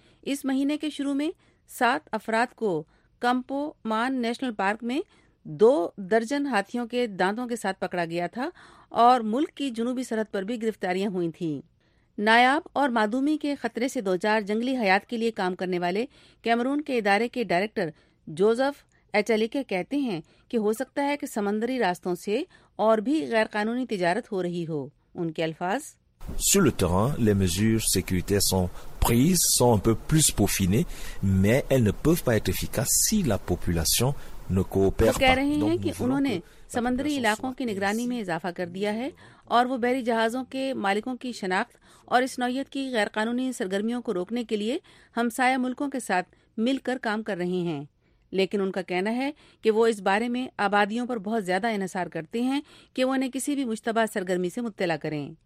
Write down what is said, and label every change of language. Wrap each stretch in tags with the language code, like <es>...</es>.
<ur>اس مہینے کے شروع میں 7 افراد کو کمپو مان نیشنل پارک میں 2 درجن ہاتھیوں کے دانتوں کے ساتھ پکڑا گیا تھا اور ملک کی جنوبی سرحد پر بھی گرفتاریاں ہوئی تھیں. نایاب اور معدومی کے خطرے سے دوچار جنگلی حیات کے لیے کام کرنے والے کیمرون کے ادارے کے ڈائریکٹر جوزف ایچلیکے کہتے ہیں کہ ہو سکتا ہے کہ سمندری راستوں سے اور بھی غیر قانونی تجارت ہو رہی ہو. ان کے الفاظ</ur> <fr>Sur le terrain, les mesures sécuritaires sont prises, sont un peu plus peaufinées, mais elles ne peuvent pas être efficaces si la population ne coopère pas.</fr> <ur>وہ کہہ رہے ہیں کہ انہوں نے سمندری علاقوں کی نگرانی میں اضافہ کر دیا ہے اور وہ بحری جہازوں کے مالکوں کی شناخت اور اس نوعیت کی غیر قانونی سرگرمیوں کو روکنے کے لیے ہمسایہ ملکوں کے ساتھ مل کر کام کر رہے ہیں. لیکن ان کا کہنا ہے کہ وہ اس بارے میں آبادیوں پر بہت زیادہ انحصار کرتے ہیں کہ وہ انہیں کسی بھی مشتبہ سرگرمی سے مطلع کریں.</ur>